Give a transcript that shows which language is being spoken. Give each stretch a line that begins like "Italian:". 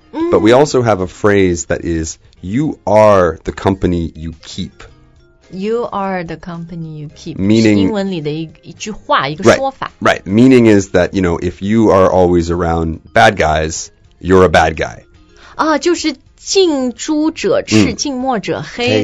English: But we also have a phrase that is, you are the company you keep. You are the company you keep. Meaning,
Chinese: 英文里的一句话一个说法
English: Right. Meaning is that, you know, if you are always around bad guys, you're a bad guy.
Chinese: 啊就是近朱者赤近墨者黑、